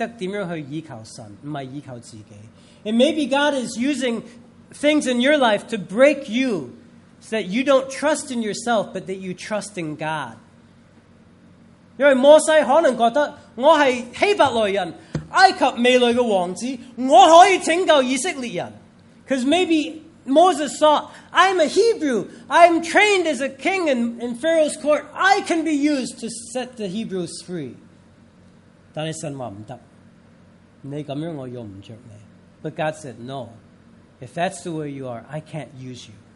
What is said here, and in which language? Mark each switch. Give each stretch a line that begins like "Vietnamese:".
Chinese: 神可能都是用很多时间来磨练你，让你懂得怎样去依靠神，不是依靠自己。
English: And maybe God is using things in your life to break you, so that you don't trust in yourself, but that you trust in God.
Chinese: 因为摩西可能觉得，我是希伯来人，埃及未来的王子，我可以拯救以色列人。
English: Because maybe Moses thought, I'm a Hebrew. I'm trained as a king in Pharaoh's court. I can be used to set the Hebrews free.
Chinese: 但神说不行，你这样我用不着你。
English: But God said, no. If that's the way you are, I can't use you.